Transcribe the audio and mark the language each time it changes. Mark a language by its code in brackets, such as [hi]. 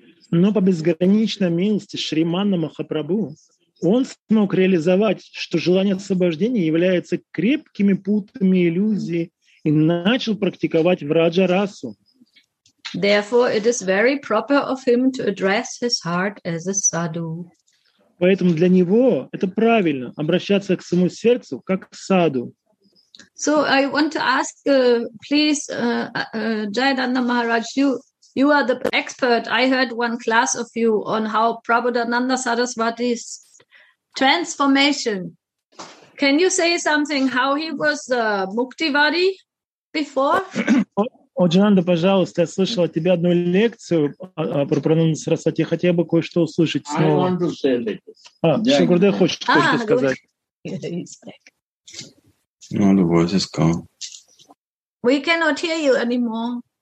[ru] Но по безграничной милости Шримана Махапрабху он смог реализовать, что желание освобождения является крепкими путами иллюзии и начал практиковать Врадхарасу. [en] Therefore, it is very proper of him to address his heart as a sadhu. [ru] Поэтому для него это правильно обращаться к своему сердцу как к саду. [en] So I want to ask, please, Jayananda Maharaj, you are the expert. I heard one class of you on how Prabhudananda Sarasvati's transformation. Can you say something how he was Muktivadi before? [ru] О, Джананда, пожалуйста, я слышал от тебя одну лекцию про Прабхудананда Сарасвати. Я хотел бы кое-что услышать снова. Шукрадев хочет кое-что сказать. [en] No, the voice is gone. We cannot hear you anymore.